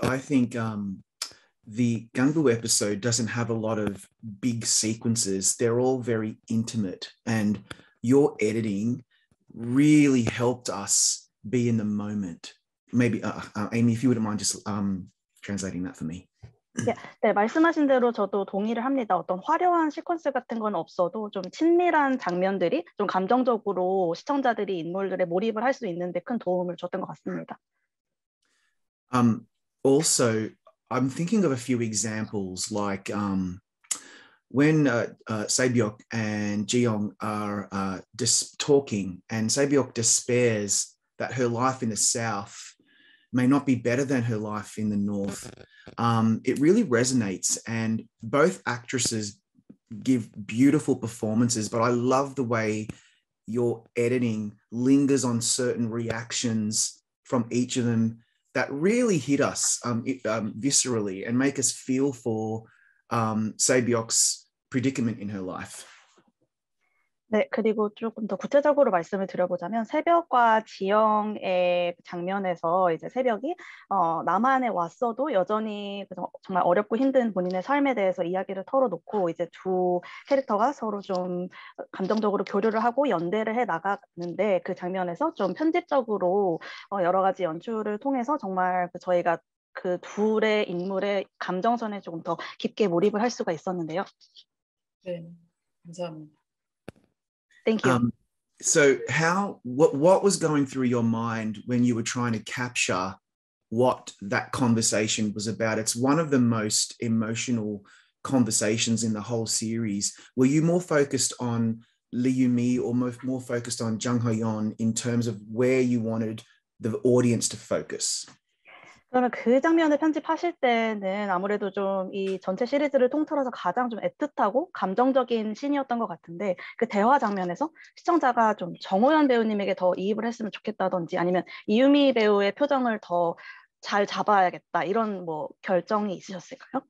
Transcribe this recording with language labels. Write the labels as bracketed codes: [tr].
[en] I think the Gung Ho episode doesn't have a lot of big sequences. They're all very intimate, and your editing really helped us be in the moment. Maybe, Amy, if you wouldn't mind just translating that for me. [ko] 네, 말씀하신 대로 저도 동의를 합니다. 어떤 화려한 시퀀스 같은 건 없어도 좀 친밀한 장면들이 좀 감정적으로 시청자들이 인물들의 몰입을 할수 있는데 큰 도움을 줬던 것 같습니다. [en] Also, I'm thinking of a few examples, like when Sebyeok and Jiyoung are talking, and Sebyeok despairs that her life in the south may not be better than her life in the north. It really resonates, and both actresses give beautiful performances. But I love the way your editing lingers on certain reactions from each of them. That really hit us viscerally and make us feel for Sebyeok's predicament in her life. [ko] 네, 그리고 조금 더 구체적으로 말씀을 드려보자면, 새벽과 지영의 장면에서 이제 새벽이, 남한에 왔어도 여전히 정말 어렵고 힘든 본인의 삶에 대해서 이야기를 털어놓고, 이제 두 캐릭터가 서로 좀 감정적으로 교류를 하고 연대를 해 나갔는데, 그 장면에서 좀 편집적으로, 여러 가지 연출을 통해서 정말 저희가 그 둘의 인물의 감정선에 조금 더 깊게 몰입을 할 수가 있었는데요. 네, 감사합니다. [en] Thank you. So how what was going through your mind when you were trying to capture what that conversation was about? It's one of the most emotional conversations in the whole series. Were you more focused on Lee Yu Mi or more focused on Jung Ho Yeon in terms of where you wanted the audience to focus? [ko] 그러면 그 장면을 편집하실 때는 아무래도 좀이 전체 시리즈를 통틀어서 가장 좀 애틋하고 감정적인 신이었던 것 같은데 그 대화 장면에서 시청자가 좀 정호연 배우님에게 더 이입을 했으면 좋겠다든지 아니면 이유미 배우의 표정을 더잘 잡아야겠다 이런 뭐 결정이 있으셨을까요?